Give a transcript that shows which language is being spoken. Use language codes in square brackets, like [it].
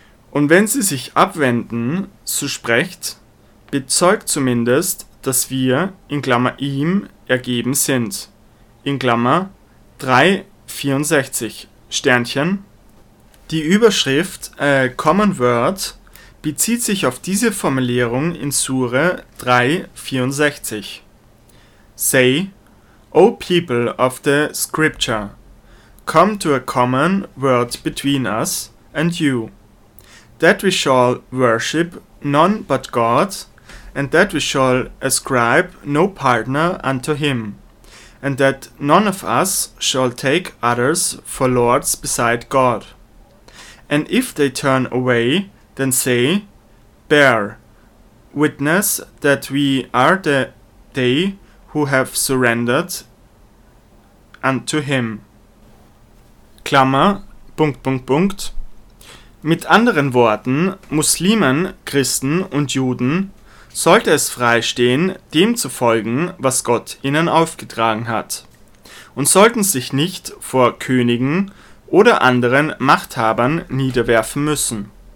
[de] Und wenn sie sich abwenden, so sprecht, bezeugt zumindest, dass wir, in Klammer ihm, ergeben sind, in Klammer 364, Sternchen. Die Überschrift Common Word bezieht sich auf diese Formulierung in Sure 3,64. [en] Say, O people of the scripture, come to a common word between us and you, that we shall worship none but God, and that we shall ascribe no partner unto him, and that none of us shall take others for lords beside God. And if they turn away, then say, Bear witness that we are they who have surrendered unto him. [de] Klammer, Punkt, Punkt, Punkt. Mit anderen Worten, Muslimen, Christen und Juden sollte es freistehen, dem zu folgen, was Gott ihnen aufgetragen hat, und sollten sich nicht vor Königen oder anderen Machthabern niederwerfen müssen.